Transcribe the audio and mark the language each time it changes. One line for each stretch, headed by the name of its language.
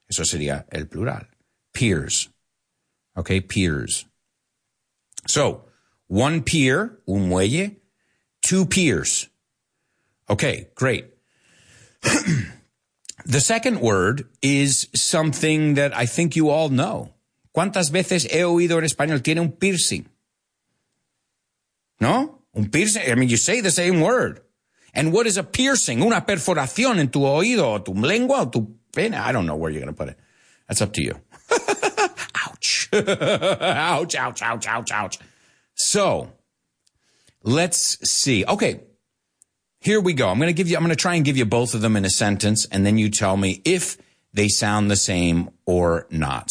Spanish: Eso sería el plural. Piers. Okay. Piers.
English: So one pier,
Spanish: un muelle,
English: two piers. Okay. Great. The second word is something that I think you all know.
Spanish: ¿Cuántas veces he oído en español tiene un piercing? ¿No? Un piercing.
English: I mean, you say the same word. And what is a piercing?
Spanish: Una perforación en tu oído, o tu lengua, o tu pene.
English: I don't know where you're going to put it. That's up to you. Ouch. Ouch, ouch, ouch, ouch, ouch. So, let's see. Okay. Here we go. I'm going to try and give you both of them in a sentence, and then you tell me if they sound the same or not.